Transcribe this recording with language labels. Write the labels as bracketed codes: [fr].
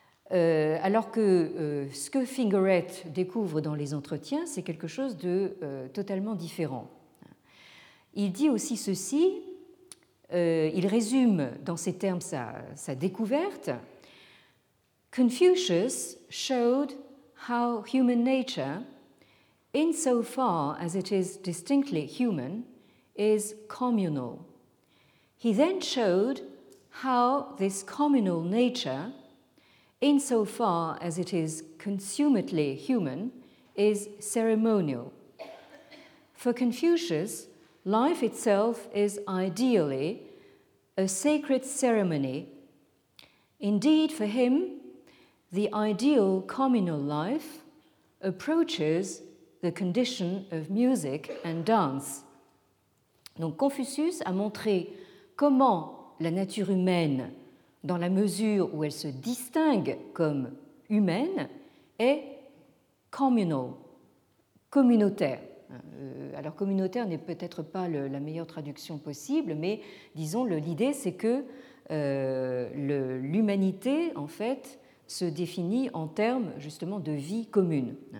[fr] Alors que ce que Fingeret découvre dans les entretiens, c'est quelque chose de totalement différent. Il dit aussi ceci, il résume dans ces termes sa découverte. [en] Confucius showed how human nature, insofar as it is distinctly human, is communal. He then showed how this communal nature, insofar as it is consummately human, is ceremonial. For Confucius, life itself is ideally a sacred ceremony. Indeed, for him, the ideal communal life approaches the condition of music and dance. [fr] Donc Confucius a montré comment la nature humaine, dans la mesure où elle se distingue comme humaine, est communal, communautaire. Alors communautaire n'est peut-être pas la meilleure traduction possible, mais disons l'idée c'est que l'humanité en fait se définit en termes justement de vie commune.